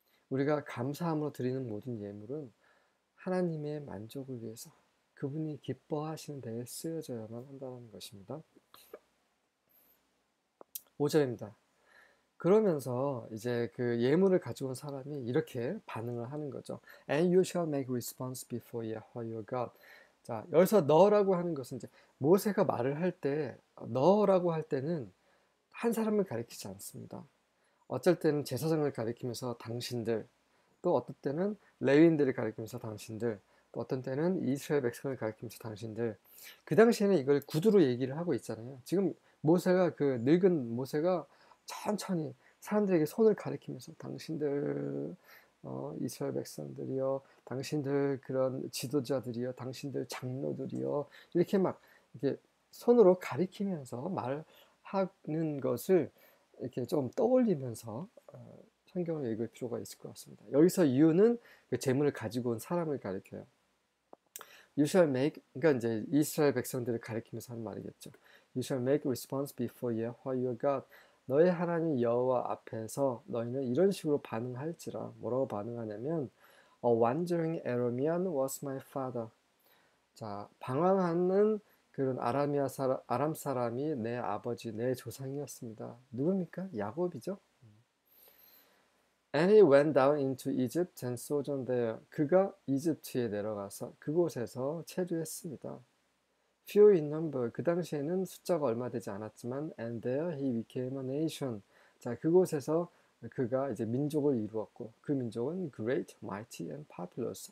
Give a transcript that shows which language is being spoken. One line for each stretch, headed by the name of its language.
Korean: 우리가 감사함으로 드리는 모든 예물은 하나님의 만족을 위해서 그분이 기뻐하시는 데에 쓰여져야만 한다는 것입니다. 5절입니다. 그러면서 이제 그 예물을 가지고 온 사람이 이렇게 반응을 하는 거죠.
English: And you shall make response before Yahweh your God.
Korean: 자, 여기서 너라고 하는 것은 이제 모세가 말을 할 때, 너라고 할 때는 한 사람을 가리키지 않습니다. 어쩔 때는 제사장을 가리키면서 당신들, 또 어떤 때는 레위인들을 가리키면서 당신들, 또 어떤 때는 이스라엘 백성을 가리키면서 당신들. 그 당시에는 이걸 구두로 얘기를 하고 있잖아요. 지금 모세가 그 늙은 모세가 천천히 사람들에게 손을 가리키면서 당신들, 이스라엘 백성들이여, 당신들 그런 지도자들이여, 당신들 장로들이여, 이렇게 막 이렇게 손으로 가리키면서 말하는 것을 이렇게 좀 떠올리면서 성경을 읽을 필요가 있을 것 같습니다. 여기서 이유는 그 제물을 가지고 온 사람을 가리켜요.
English: You shall make,
Korean: 그러니까 이제 이스라엘 백성들을 가리키면서 하는 말이겠죠.
English: You shall make response before Yahweh your God.
Korean: 너의 하나님 여호와 앞에서 너희는 이런 식으로 반응할지라. 뭐라고 반응하냐면,
English: A wandering Aramean was my father.
Korean: 자, 방황하는 그런 아람 사람이 내 아버지, 내 조상이었습니다. 누굽니까? 야곱이죠.
English: And he went down into Egypt and sojourned there.
Korean: 그가 이집트에 내려가서 그곳에서 체류했습니다.
English: Few in number.
Korean: 그 당시에는 숫자가 얼마 되지 않았지만,
English: and there he became a nation.
Korean: 자, 그곳에서 그가 이제 민족을 이루었고, 그 민족은
English: great, mighty and populous.